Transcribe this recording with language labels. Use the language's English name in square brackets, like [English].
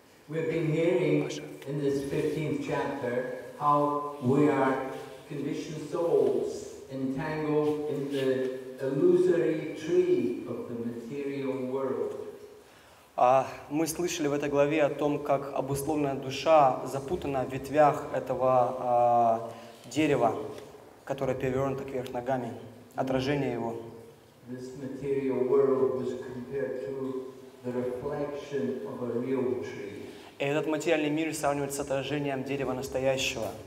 [English] We've been hearing in this 15th chapter, how we are conditioned souls entangled in the illusory tree of the material world. [Russian] Мы слышали в этой главе о том, как обусловленная душа запутана в ветвях этого дерева, которое перевернуто кверх ногами, отражение его. [English] This material world was compared to the reflection of a real tree. [Russian] И этот материальный мир сравнивается с отражением дерева настоящего.